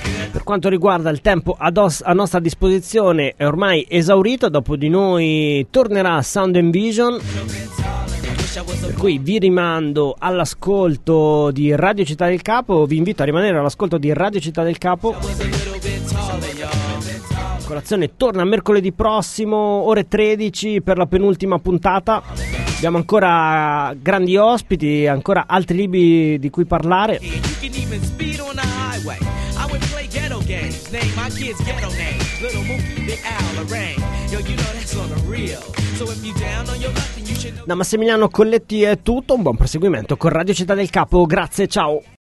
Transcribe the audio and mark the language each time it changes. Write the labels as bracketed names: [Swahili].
[Italian] Per quanto riguarda il tempo a nostra disposizione è ormai esaurito, dopo di noi tornerà Sound & Vision, per cui vi rimando all'ascolto di Radio Città del Capo, vi invito a rimanere all'ascolto di Radio Città del Capo. Colazione torna mercoledì prossimo, ore 13 per la penultima puntata. Abbiamo ancora grandi ospiti, ancora altri libri di cui parlare. [English] My kids ghetto names, little Mookie, the owl, the rain. Yo, you know that's on the real. So if you down on your luck, then you should know. [Italian] Da Massimiliano Colletti è tutto, un buon proseguimento con Radio Città del Capo, grazie, ciao.